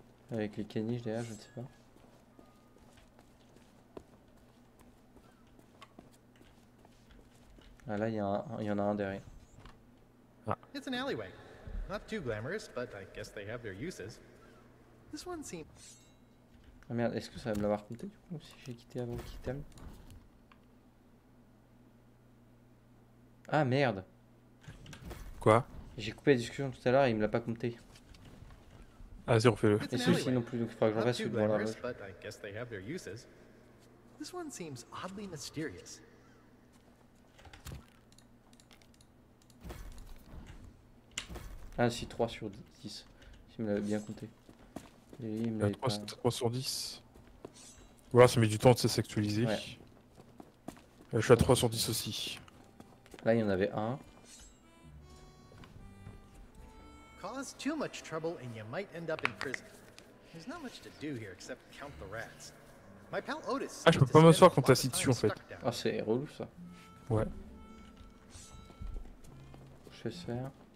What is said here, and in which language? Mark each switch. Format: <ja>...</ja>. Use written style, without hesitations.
<fr>Avec les caniches derrière, je ne sais pas. Ah là, il y en a un derrière.</fr> <en>It's an alleyway. Not too glamorous, but I guess they have their uses. This one seems.</en> <fr>Ah merde, est-ce que ça va me l'avoir compté du coup si j'ai quitté avant qu'il t'aime? Ah merde! Quoi? J'ai coupé la discussion tout à l'heure et il me l'a pas compté. Vas-y, refais-le. Et ceci non plus, donc il faudra que j'en fasse une voilà.</fr> <en>But I guess they have their uses. This one seems oddly mysterious.</en> <fr>Ah si, 3 sur 10, si me l'avait bien compté. Et il me l'avait 3, pas... 3 sur 10. Voilà, ça met du temps de s'actualiser. Ouais. Je suis à 3 sur 10 aussi. Là, il y en avait un.</fr> <en>Cause too much trouble and you might end up in prison. There's not much to do here except count the rats. My pal Otis.</en> <fr>Ah, je peux pas m'asseoir quand t'as assis dessus en fait. Ah, oh, c'est relou ça. Ouais. Je vais se faire.</fr>